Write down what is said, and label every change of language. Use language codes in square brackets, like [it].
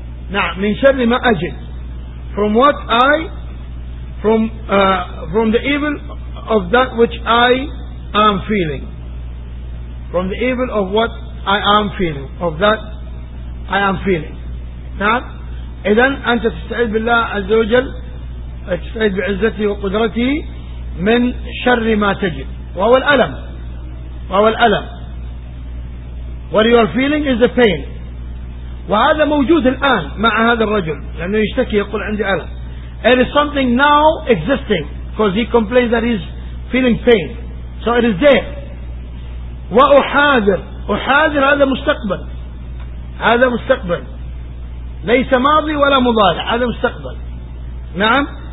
[ar] نعم من شر ما أجد. [en] From what I, from the evil of that which I am feeling. From the evil of what I am feeling, of that I am feeling. [ar] نعم. إذن أنت تستعيذ بالله عز وجل, تستعيذ بعزته وقدرته من شر ما تجد. وهو الألم. وهو الألم. [en] What you are feeling is the pain. [ar] وهذا موجود الآن مع هذا الرجل لأنه يشتكي يقول عندي ألم. [en] It is something now existing because he complains that he is feeling pain. So it is there. [ar] وأحاذر. أحاذر هذا مستقبل. هذا مستقبل. ليس ماضي ولا مضارع. هذا مستقبل. نعم.